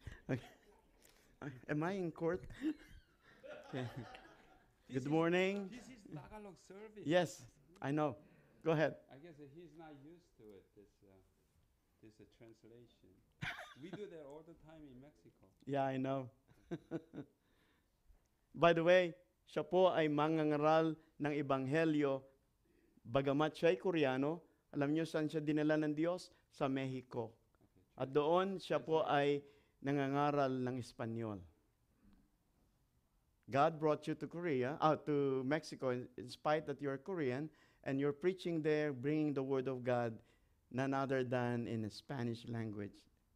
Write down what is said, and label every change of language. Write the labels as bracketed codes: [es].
[en] Okay. Am I in court? Okay. Good morning. This is Tagalog service. Yes, I know. Go ahead. I guess he's not used to it, this translation. We do that all the time in Mexico. Yeah, I know. By the way, [tl] siya po ay mangangaral ng Ebanghelyo. Bagamat siya ay Koreano, Alam niyo saan siya dinala ng Diyos? Sa Mexico. At doon, siya po ay nangangaral ng Espanyol. [en] God brought you to Korea, to Mexico, in spite that you are Korean, and you're preaching there, bringing the Word of God, none other than in a Spanish language.